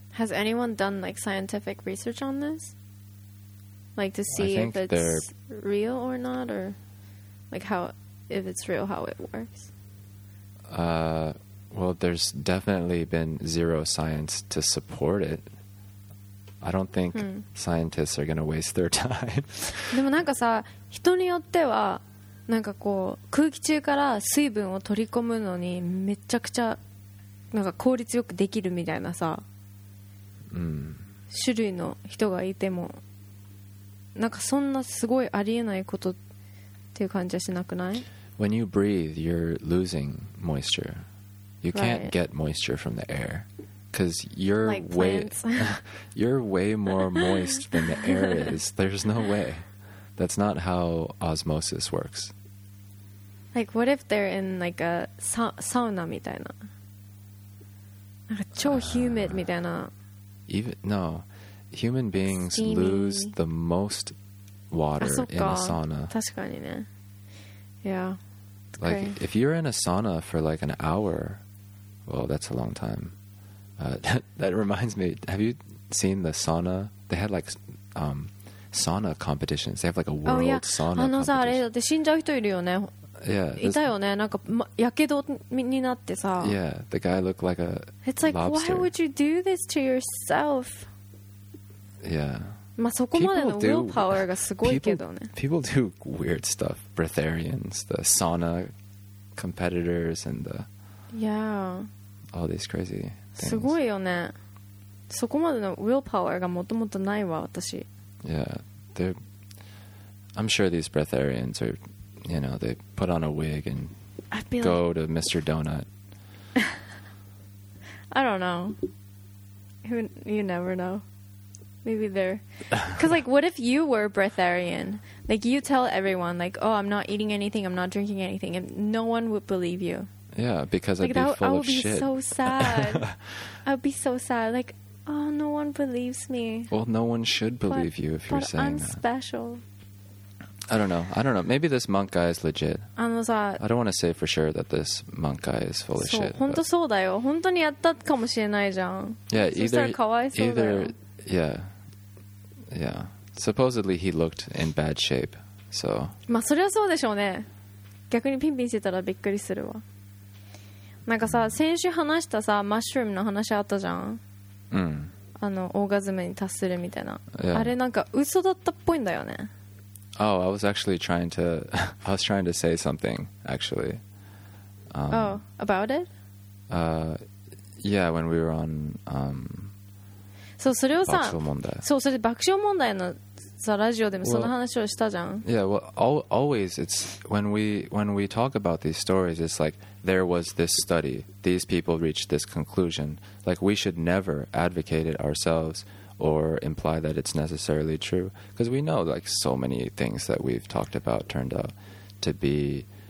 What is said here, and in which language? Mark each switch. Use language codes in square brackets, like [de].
[en] Has anyone done like scientific research on this? Like to see if it's real or not, or like how, if it's real, how it works? Well, there's definitely been zero science to support it. I don't think scientists are going to waste their time. [ja] でもなんかさ、人によってはなんかこう空気中から水分を取り込むのにめちゃくちゃなんか効率よくできるみたいなさ、種類の人がいてもなんかそんなすごいありえないことっていう感じはしなくない? [en] When you breathe, you're losing moisture. You can't get moisture from the air. Because you're like way, you're way more moist than the air is. There's no way. That's not how osmosis works. Like, what if they're in like a sauna [ja] みたいな、なんか超 [en] humid みたいな。 Even no, human beings steamy. Lose the most water in a sauna. [ja] 確かにね。Yeah. [en] Like, if you're in a sauna for like an hour, well, that's a long time. That reminds me, have you seen the sauna? They had like sauna competitions. They have like a world sauna competition. [ja] あのさ、あれだって死んじゃう人いるよね。 [en] Yeah, [ja] いたよね。なんか、やけどになってさ。 [en] Yeah, the guy looked like a lobster. It's like, why would you do this to yourself? Yeah. [ja] まあそこまでの willpower がすごいけどね。 [en] People do weird stuff. Breatharians, the sauna competitors, and the... Yeah. All these crazy... [ja] すごいよね。そこまでの willpower がもともとないわ、私。 [en] Yeah, I'm sure these breatharians are, you know, they put on a wig and go to Mr. Donut. I don't know. You never know. Maybe they're... Because, like, what if you were a breatharian? Like, you tell everyone, like, oh, I'm not eating anything, I'm not drinking anything, and no one would believe you. Yeah, because like, I'd be full of shit. I would be so sad. I'd be so sad. Like, oh, no one believes me. Well, no one should believe you if you're saying that. But I'm special. I don't know. Maybe this monk guy is legit. [ja] あのさ、 [en] I don't want to say for sure that this monk guy is full of shit. [ja] 本当そうだよ。本当にやったかもしれないじゃん。 [en] Yeah, [ja] そしたらかわいそうだよ。 [en] Yeah. supposedly he looked in bad shape. So. [ja] まあそれはそうでしょうね。逆にピンピンしてたらびっくりするわ。なんかさ、先週話したさ、マッシュルームの話あったじゃん。うん。あのオーガズムに達するみたいな。Yeah. あれなんか嘘だったっぽいんだよね。 [en] Oh, I was actually trying to, I was trying to say something actually. Oh, about it? Yeah, when we were on. [ja] そう、それをさ、そう、それで爆笑問題のさラジオでもその話をしたじゃん。 [en] Well, yeah, well, always it's when we talk about these stories, it's like there was this study, these people reached this conclusion. Like we should never advocate it ourselves. Or imply that it's necessarily true, because we know like so many things that we've talked about turned out to be.